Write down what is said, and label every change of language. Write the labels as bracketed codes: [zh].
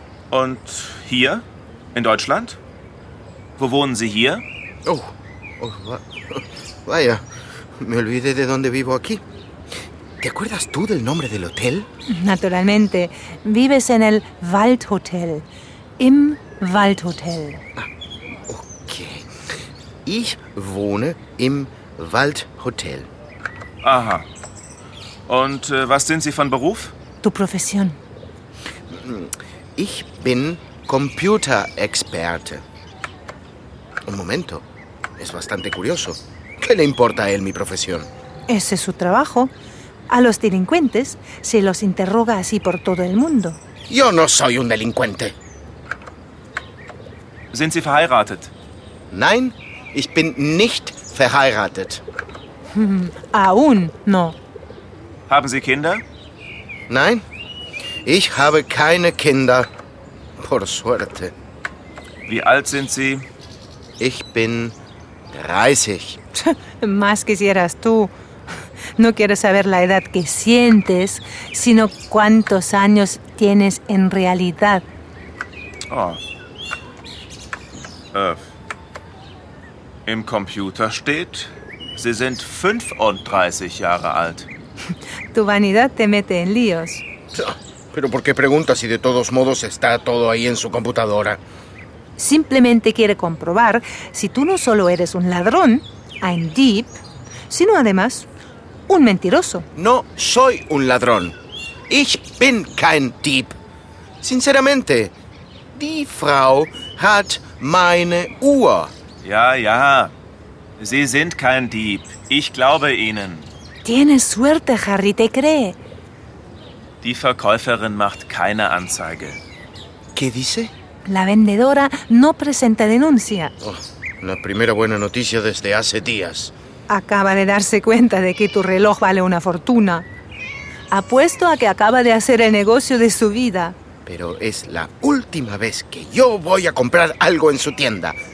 [de] Und hier, in Deutschland? Wo wohnen Sie hier? [es] Vaya, me olvidé de dónde vivo aquí. ¿Te acuerdas tú del nombre del hotel? Naturalmente. Vives en el Waldhotel. [de] Im Waldhotel. Ah, ok. Ich wohne im Waldhotel. Aha. Und was sind Sie von Beruf? [es] Tu profesión. [de] Ich bin Computerexperte. [es] Un momento. Es bastante curioso. ¿Qué le importa a él mi profesión? Ese es su trabajo. A los delincuentes se los interroga así por todo el mundo. Yo no soy un delincuente. [de] ¿Sind Sie verheiratet? Nein, ich bin nicht verheiratet. [es] Aún no. [de] ¿Haben Sie Kinder? Nein, ich habe keine Kinder. [es] Por suerte. [de] ¿Wie alt sind Sie? Ich bin 30. [es] Más quisieras tú. No quiero saber la edad que sientes, sino cuántos años tienes en realidad. Oh. [de] Im Computer steht, Sie sind 35 Jahre alt. [es] Tu vanidad te mete en líos. Pero ¿por qué preguntas si de todos modos está todo ahí en su computadora? Simplemente quiere comprobar si tú no solo eres un ladrón, [de] ein Dieb, [es] sino además un mentiroso. No soy un ladrón. [de] Ich bin kein Dieb. [es] Sinceramente, [de] die Frau hat meine Uhr. Ja, ja. Sie sind kein Dieb. Ich glaube Ihnen. [es] Tienes suerte, Harry, te cree. [de] Die Verkäuferin macht keine Anzeige. [es] ¿Qué dice? La vendedora no presenta denuncia. La primera buena noticia desde hace días. Acaba de darse cuenta de que tu reloj vale una fortuna. Apuesto a que acaba de hacer el negocio de su vida. Pero es la última vez que yo voy a comprar algo en su tienda.